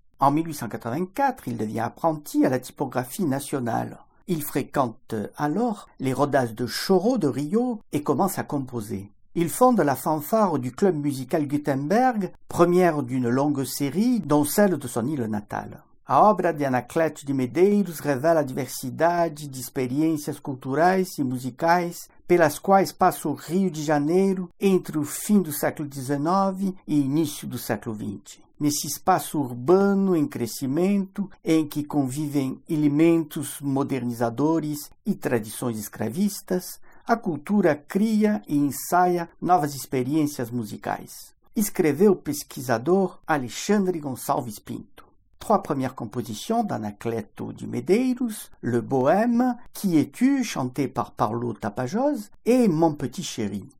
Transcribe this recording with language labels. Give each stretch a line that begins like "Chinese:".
French: En 1884, il devient apprenti à la typographie nationale. Il fréquente alors les rodas de Choro de Rio et commence à composer. Il fonde la fanfare du club musical Gutenberg, première d'une longue série, dont celle de son île natale.
Portuguese: A obra de Anacleto de Medeiros revela a diversidade de experiências culturais e musicais pelas quais passa o Rio de Janeiro entre o fim do século XIX e início do século XX. Nesse espaço urbano em crescimento, em que convivem elementos modernizadores e tradições escravistas, a cultura cria e ensaia novas experiências musicais, escreveu o pesquisador Alexandre Gonçalves Pinto.
French: Trois premières compositions d'Anacleto de Medeiros, Le Bohème, Qui es-tu, chanté par Paulo Tapajós, et Mon petit chéri.